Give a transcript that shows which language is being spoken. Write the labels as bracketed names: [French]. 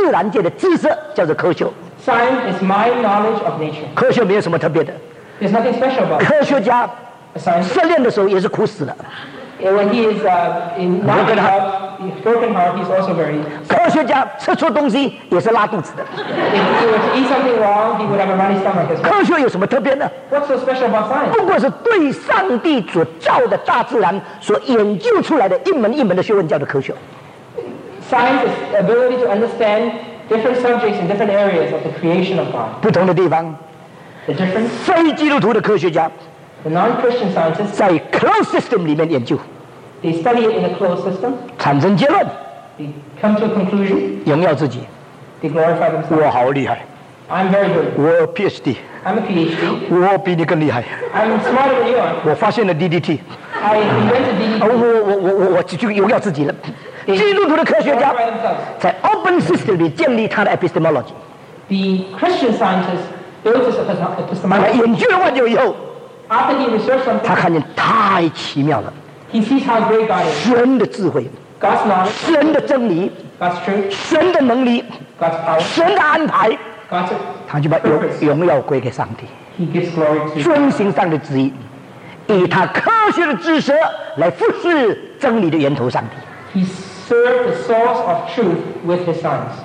[Chinese] 科学就是我对自然界的知识，叫做科学。 [English] Science is my knowledge of nature. [Chinese] 科学没有什么特别的。 [English] There's nothing special about it. [Chinese] 科学家 失恋的时候也是苦死了。 [English] When he is in broken heart, he's also very sad. [Chinese] 科学家吃错东西也是拉肚子的。 [English] If he were to eat something wrong, he would have a runny stomach as well. [Chinese] 科学有什么特别呢? [English] What's so special about science? [Chinese] 不过是对上帝所造的大自然所研究出来的一门一门的学问叫做科学。 [English] Science is the ability to understand different subjects in different areas of the creation of God. [Chinese] 不同的地方, [English] the difference? [Chinese] 非基督徒的科学家, [English] the non-Christian scientists, [Chinese] 在closed system里面研究, [English] they study it in a closed system, [Chinese] 产生结论, [English] they come to a conclusion, [Chinese] 荣耀自己, [English] they glorify themselves. [Chinese] 我好厉害, [English] I'm very good. [Chinese] 我 PhD. [English] I'm a PhD. [Chinese] 我比你更厉害, [English] I'm smarter than you are. [Chinese] 我发现了DDT. [English] I invented DDT. [Chinese] 我就荣耀自己了。基督徒的科学家, [English] they glorify themselves. [Chinese] 在open system里建立他的 epistemology. [English] The Christian scientists built his epistemology. [Chinese] 他研究了万有以后, [English] after he researched something, [Chinese] 他看见太奇妙了。 [English] He sees how great God is. [Chinese] 神的智慧, [English] God's knowledge, [Chinese] 神的真理, [English] God's truth, [Chinese] 神的能力, [English] God's power, [Chinese] 神的安排, [English] God's purpose. [Chinese] 他就把荣耀归给上帝。 [English] He gives glory to God. [Chinese] 遵行上帝旨意, 以他科学的知识来服侍真理的源头上帝。 [English] He served the source of truth with his science.